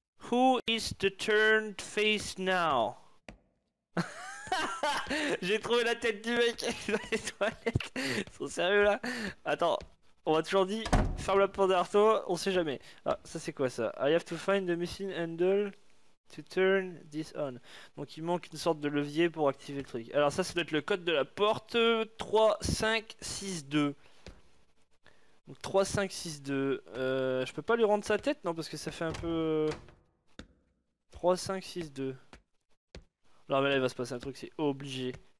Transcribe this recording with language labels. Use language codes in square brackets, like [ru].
[en] Who is the turned face now? [fr] J'ai trouvé la tête du mec dans les toilettes. Ils sont sérieux, là? Attends, on m'a toujours dit, ferme la porte derrière toi, on sait jamais. Ah, ça, c'est quoi, ça? [en] I have to find the missing handle to turn this on. [fr] Donc, il manque une sorte de levier pour activer le truc. Alors, ça doit être le code de la porte 3562. Donc, 3562. Je peux pas lui rendre sa tête, non, parce que ça fait un peu. 3562. Alors, mais là, il va se passer un truc, c'est obligé.